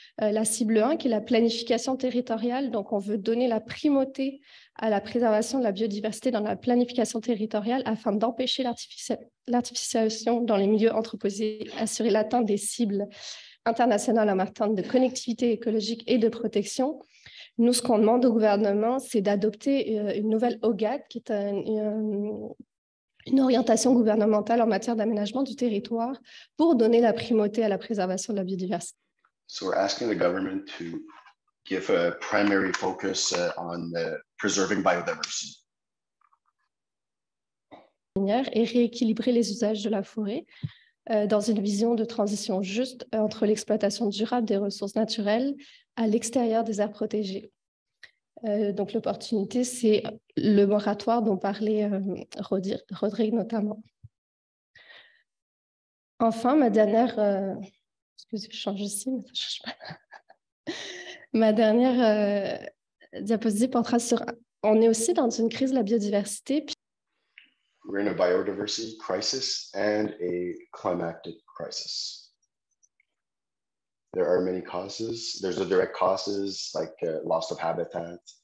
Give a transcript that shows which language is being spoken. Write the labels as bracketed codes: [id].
[fr] La cible 1, qui est la planification territoriale. Donc, on veut donner la primauté à la préservation de la biodiversité dans la planification territoriale afin d'empêcher l'artificialisation dans les milieux anthropisés, assurer l'atteinte des cibles international en matière de connectivité écologique et de protection. Nous, ce qu'on demande au gouvernement, c'est d'adopter une nouvelle OGAD, qui est une orientation gouvernementale en matière d'aménagement du territoire pour donner la primauté à la préservation de la biodiversité. [en] So we're asking the government to give a primary focus on preserving biodiversity. [fr] Et rééquilibrer les usages de la forêt. Dans une vision de transition juste entre l'exploitation durable des ressources naturelles à l'extérieur des aires protégées. Donc l'opportunité, c'est le moratoire dont parlait Rodrigue notamment. Enfin, ma dernière... excusez, je change ici, mais ça ne change pas. Ma dernière diapositive portera sur... On est aussi dans une crise de la biodiversité. Puis... [en] We're in a biodiversity crisis and a climactic crisis. There are many causes. There's a direct causes like loss of habitat.